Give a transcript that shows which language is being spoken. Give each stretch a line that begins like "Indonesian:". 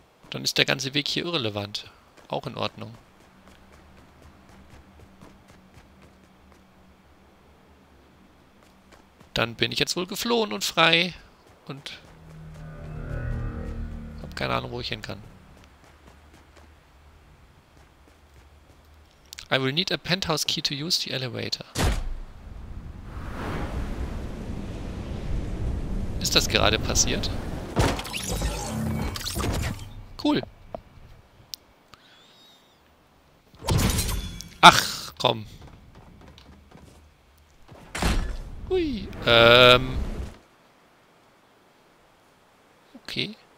German: Dann ist der ganze Weg hier irrelevant. Auch in Ordnung. Dann bin ich jetzt wohl geflohen und frei. Und hab keine Ahnung, wo ich hin kann.
English: I will need a penthouse key to use the elevator.
German: Ist das gerade passiert? Cool. Ach, komm. Hui. Okay.